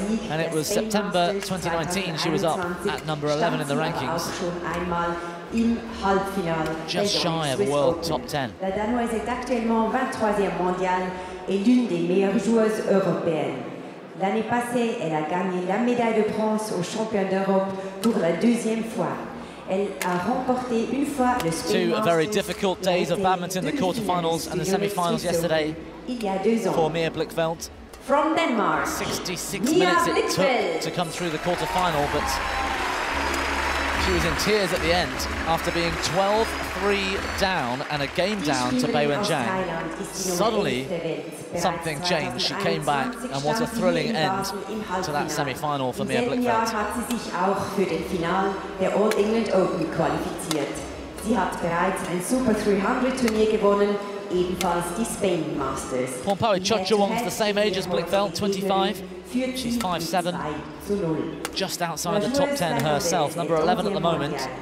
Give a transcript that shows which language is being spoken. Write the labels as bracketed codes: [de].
[en] And it was September 2019, she was up at number 11 in the rankings. Just shy of a world top 10. [fr] La Danoise est actuellement 23e mondiale et l'une des meilleures joueuses européennes. L'année passée, elle a gagné la médaille de bronze aux Champions d'Europe pour la deuxième fois. Elle a remporté une fois le Spain. [en] Two very difficult days of badminton, the quarterfinals and the semifinals yesterday. [fr] Il y a deux ans. [en] For Mia Blichfeldt. From Denmark. 66 minutes it took to come through the quarterfinal, but she was in tears at the end after being 12-3 down and a game down to Beiwen Zhang. Suddenly, something changed. She came back, and what a thrilling end to that semi-final for Mia Blichfeldt. [de] Hat sie sich auch für den Finale der Old England Open qualifiziert. Sie hat bereits ein Super 300 Turnier gewonnen, ebenfalls die Spain Masters. [en] Pornpawee Chochuwong is the same age as Blichfeldt, 25. She's 5'7", just outside the top 10 herself, number 11 at the moment.